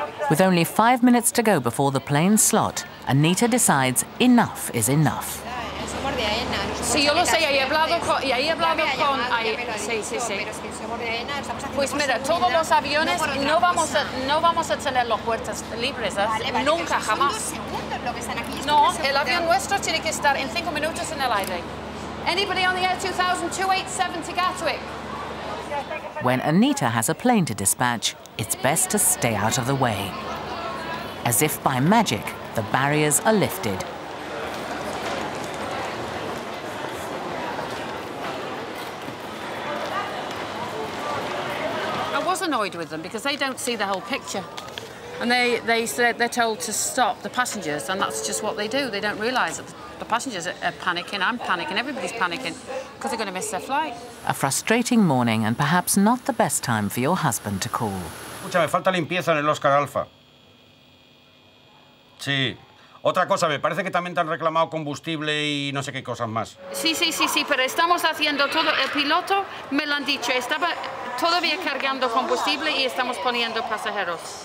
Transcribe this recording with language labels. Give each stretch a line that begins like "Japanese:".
English: With only 5 minutes to go before the plane slot, Anita decides enough is enough.
Spanish: Sí, yo lo sé, y he hablado con... Sí, sí, sí. Pues mira, todos los aviones no vamos a tener las puertas libres, ¿eh? Nunca, jamás. No, el avión nuestro tiene que estar en 5 minutos en el aire.
English: Anybody on the air 2000-287 to Gatwick? When Anita has a plane to dispatch, it's best to stay out of the way. As if by magic, the barriers are lifted. I was annoyed with them because they don't see the whole picture. And they said they're told to stop the passengers, and that's just what they do. They don't realise that the passengers are panicking, I'm panicking, everybody's panicking, because they're going to miss their flight. A frustrating morning and perhaps not the best time for your husband to call.
Spanish: Escucha, me falta limpieza en el Oscar Alfa. Sí. Otra cosa, me parece que también te han reclamado combustible y no sé qué cosas más. Sí, sí, sí, sí, pero estamos haciendo todo. El piloto me lo han dicho. Estaba todavía cargando combustible y estamos poniendo pasajeros.